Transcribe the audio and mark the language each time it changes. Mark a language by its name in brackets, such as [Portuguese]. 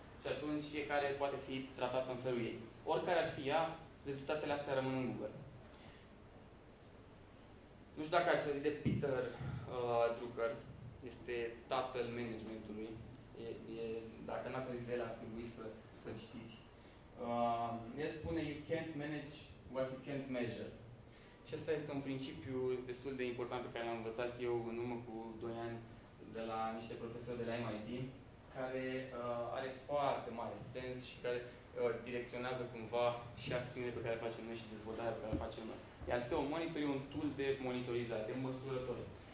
[Romanian] Și atunci fiecare poate fi tratat în felul ei. Oricare ar fi ea, rezultatele astea rămân în Google. Nu știu dacă ați auzit de Peter Drucker, este tatăl managementului. Dacă n-ați auzit de el, ar trebui să citiți. El spune, [English] you can't manage what you can't measure. [Romanian] Și asta este un principiu destul de important pe care l-am învățat eu în urmă cu 2 ani de la niște profesori de la MIT, care are foarte mare sens și care direcționează cumva și acțiunile pe care le facem noi și dezvoltarea pe care le facem noi. Iar SEO Monitor e un tool de monitorizare, de măsurători.